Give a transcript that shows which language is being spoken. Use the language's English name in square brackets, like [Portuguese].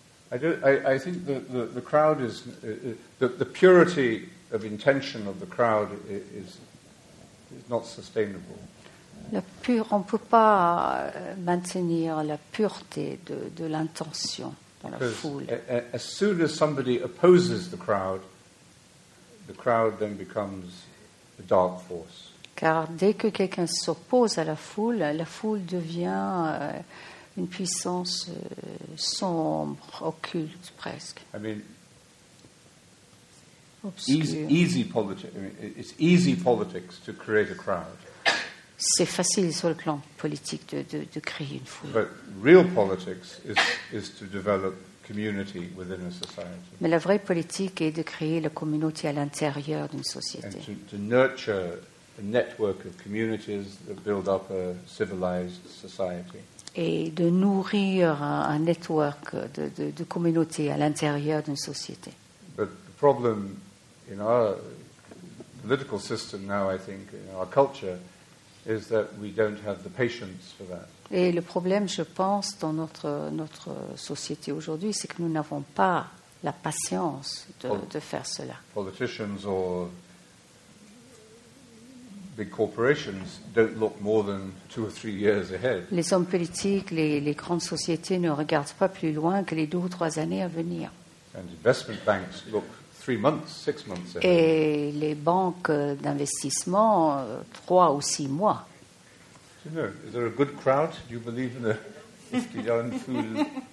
[English] I think the crowd is the purity of intention of the crowd is not sustainable. [French] On peut pas maintenir la pureté de l'intention dans la foule. [English] As soon as somebody opposes the crowd then becomes a dark force. [French] Car dès que quelqu'un s'oppose à la foule devient une puissance sombre, occulte presque. [English] I mean, it's easy politics to create a crowd. [French] C'est facile sur le plan politique de créer une foule. [English] But real politics is to develop community within a society. [French] Mais la vraie politique est de créer la communauté à l'intérieur d'une société. [English] And to nurture a network of communities that build up a civilized society. [French] Et de nourrir un network de communautés à l'intérieur d'une société. [English] But the problem in our political system now, I think, in our culture, is that we don't have the patience for that. [French] Et le problème, je pense, dans notre société aujourd'hui, c'est que nous n'avons pas la patience de faire cela. [English] Politicians or big corporations don't look more than 2 or 3 years ahead. [French] Les hommes politiques, les grandes sociétés ne regardent pas plus loin que les 2 ou 3 années à venir. [English] And investment banks look 3 months, 6 months ahead. [French] Et les banques d'investissement, 3 ou 6 mois. [English] You know, is there a good crowd? Do you believe in a young fool?